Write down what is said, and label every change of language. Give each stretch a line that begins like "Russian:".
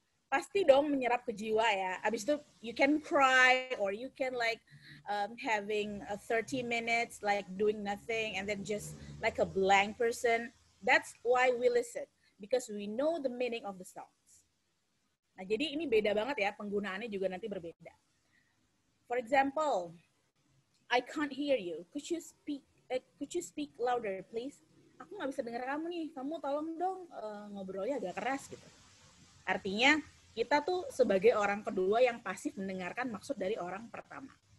Indonesian: Pasti dong menyerap ke jiwa ya. Abis itu
English: you can cry or you can like having a 30 minutes like doing nothing and then just like a blank person. That's why we listen. Because we know the meaning of the songs.
Indonesian: Nah, jadi ini beda banget ya. Penggunaannya juga nanti berbeda.
English: For example, I can't hear you. Could you speak louder, please?
Indonesian: Aku gak bisa dengar kamu nih. Kamu tolong dong ngobrolnya agak keras gitu. Artinya, kita tuh sebagai orang kedua yang pasif mendengarkan maksud dari orang pertama.